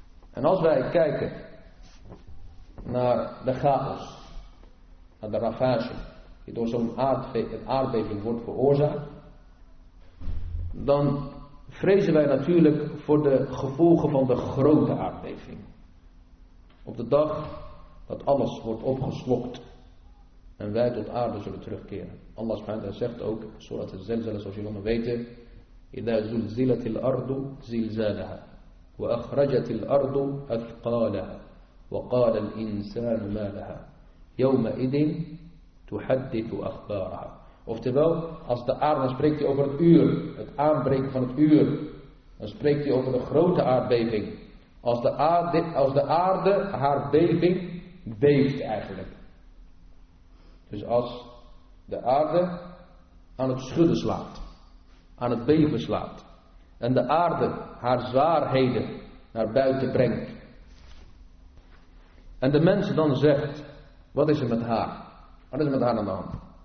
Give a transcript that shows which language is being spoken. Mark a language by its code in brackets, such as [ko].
[nl] En als wij kijken naar de chaos, naar de ravage die door zo'n aardbeving wordt veroorzaakt, dan vrezen wij natuurlijk voor de gevolgen van de grote aardbeving. Op de dag dat alles wordt opgeslokt en wij tot aarde zullen terugkeren. Allah subhanahu wa ta'ala zegt ook, zodat de zelzelen, zoals jullie weten, [ar] إِذَا زُلْزِلَتِ الْأَرْضُ زِلْزَالَهَا وَأَخْرَجَتِ الْأَرْضُ أَثْقَالَهَا وَقَالَ الْإِنسَانُ مَا لَهَا يَوْمَئِذٍ تُحَدِّثُ أَخْبَارَهَا. [nl] Oftewel, als de aarde, dan spreekt hij over het uur, het aanbreken van het uur, dan spreekt hij over de grote aardbeving. Als de aarde haar beving beeft eigenlijk. Dus als de aarde aan het schudden slaat, aan het beven slaat, en de aarde haar zwaarheden naar buiten brengt, en de mens dan zegt, wat is er met haar? Wat is er met haar aan de hand?